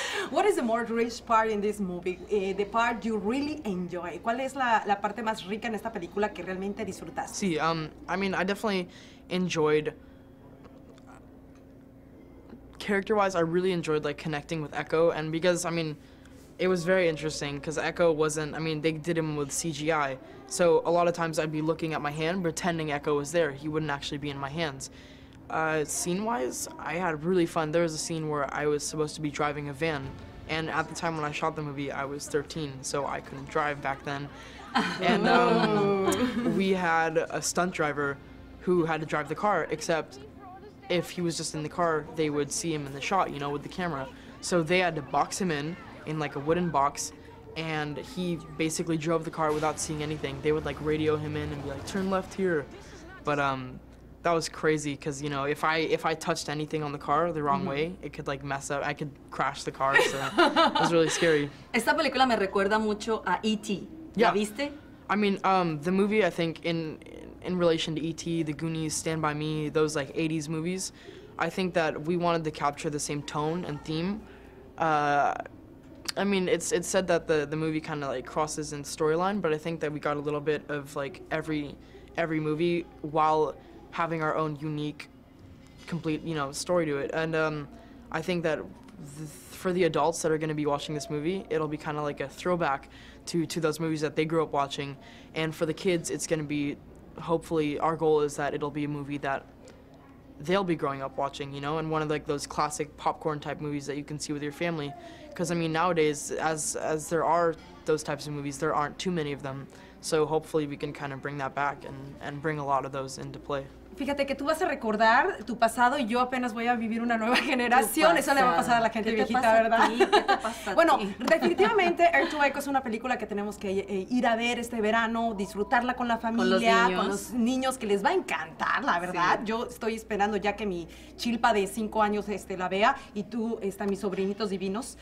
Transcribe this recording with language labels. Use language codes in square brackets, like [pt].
[en] What is the more rich part in this movie? The part you really enjoy. [es] ¿Cuál es la parte más rica en esta película que realmente disfrutaste? [en] Sí, I mean, I definitely enjoyed. Character-wise, I really enjoyed like connecting with Echo, and because I mean, it was very interesting because Echo wasn't. I mean, they did him with CGI. So a lot of times I'd be looking at my hand, pretending Echo was there. He wouldn't actually be in my hands. Scene-wise, I had really fun. There was a scene where I was supposed to be driving a van. And at the time when I shot the movie, I was 13, so I couldn't drive back then. And we had a stunt driver who had to drive the car, except if he was just in the car, they would see him in the shot, you know, with the camera. So they had to box him in like a wooden box, and he basically drove the car without seeing anything. They would like radio him in and be like, turn left here. But that was crazy because, you know, if I touched anything on the car the wrong way, it could like mess up. I could crash the car, so it was really scary. [es] Esta película me recuerda mucho a E.T. ¿La viste? [en] I mean, the movie, I think, in relation to E.T., The Goonies, Stand By Me, those like 80s movies, I think that we wanted to capture the same tone and theme. I mean, it's said that the movie kind of like crosses in storyline, but I think that we got a little bit of like every movie while having our own unique, complete, you know, story to it. And I think that for the adults that are going to be watching this movie, it'll be kind of like a throwback to those movies that they grew up watching. And for the kids, it's going to be, hopefully, our goal is that it'll be a movie that they'll be growing up watching, you know, and one of like those classic popcorn type movies that you can see with your family. Because I mean, nowadays, as there are those types of movies, there aren't too many of them. So hopefully we can kind of bring that back and bring a lot of those into play. [es] Fíjate que tú vas a recordar tu pasado y yo apenas voy a vivir una nueva generación. Eso le va a pasar a la gente viejita, ¿verdad? ¿Qué te pasa? Bueno, definitivamente, Air to Echo es una película que tenemos que ir a ver este verano, disfrutarla con la familia, con los niños, que les va a encantar, la verdad. Sí. Yo estoy esperando ya que mi chilpa de 5 años la vea y tú, mis sobrinitos divinos.